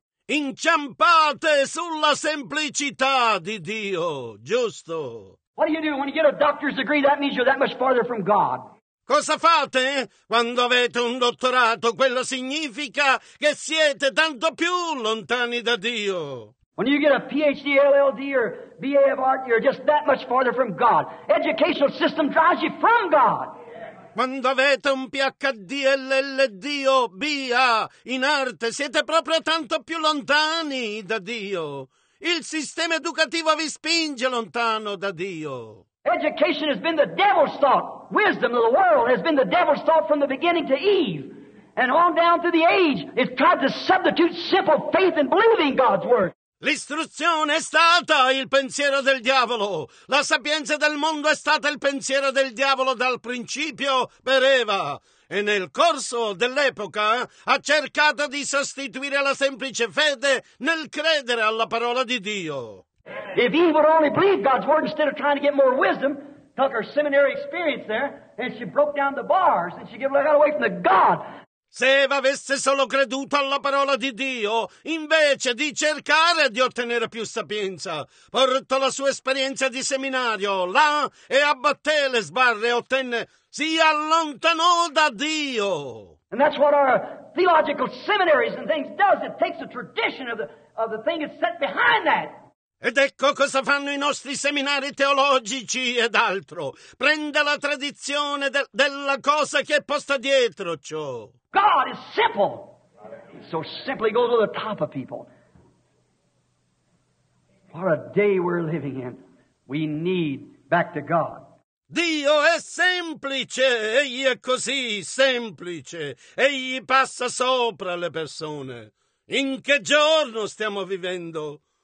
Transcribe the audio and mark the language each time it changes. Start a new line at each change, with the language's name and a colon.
Italian: Inciampate sulla semplicità di Dio, giusto?
English: What do you do when you get a doctor's degree? That means you're that much farther from God.
Italian: Cosa fate quando avete un dottorato? Quello significa che siete tanto più lontani da Dio.
English: When you get a PhD, LLD, or BA of art, you're just that much farther from God. Educational system drives you from God.
Italian: Quando avete un PhD, LLD, o BA in arte, siete proprio tanto più lontani da Dio. Il sistema educativo vi spinge lontano da Dio.
English: Education has been the devil's thought. Wisdom of the world has been the devil's thought from the beginning to Eve. And on down through the age, it's tried to substitute simple faith and believing God's word.
Italian: L'istruzione è stata il pensiero del diavolo. La sapienza del mondo è stata il pensiero del diavolo dal principio per Eva. E nel corso dell'epoca ha cercato di sostituire la semplice fede nel credere alla parola di Dio.
English: If Eve would only believe God's word instead of trying to get more wisdom, took her seminary experience there, and she broke down the bars, and she gave her away from the God.
Italian: Se Eva avesse solo creduto alla parola di Dio, invece di cercare di ottenere più sapienza, portò la sua esperienza di seminario là e abbatté le sbarre e ottenne... si allontanò da Dio.
English: And that's what our theological seminaries and things does. It takes the tradition of the thing that's set behind that.
Italian: Ed ecco cosa fanno i nostri seminari teologici ed altro. Prende la tradizione della cosa che è posta dietro ciò.
English: God is simple. So simply goes over the top of people. What a day we're living in. We need back to God.
Italian: Dio è semplice, egli è così semplice, egli passa sopra le persone. In che giorno stiamo vivendo?